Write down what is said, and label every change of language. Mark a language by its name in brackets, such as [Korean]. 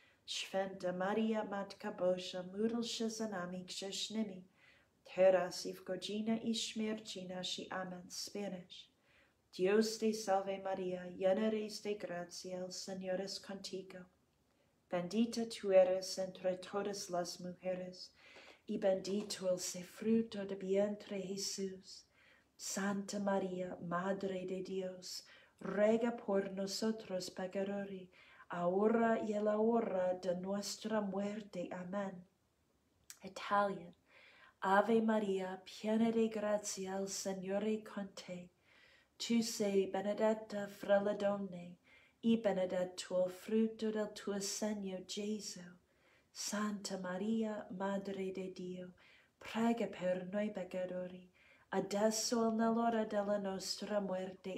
[Polish] Święta Maria, Matka Boża, módl się za nami grzesznymi, teraz I w godzinę I śmierci naszej. [English] Amen. Spanish. [Spanish] Dios te salve Maria, llena eres de gracia, el Señor es contigo. Bendita tú eres entre todas las mujeres, y bendito el fruto de vientre Jesús. Santa Maria, Madre de Dios, ruega por nosotros pecadores, ahora y a la hora de nuestra muerte. [English] Amen. Italian. [Italian] Ave Maria, piena de grazia, il Signore con te. Tu sei benedetta fra le donne, e benedetto il frutto del tuo seno, Gesù. Santa Maria, Madre di Dio, prega per noi peccatori, adesso e nell'ora della nostra [Spanish] muerte.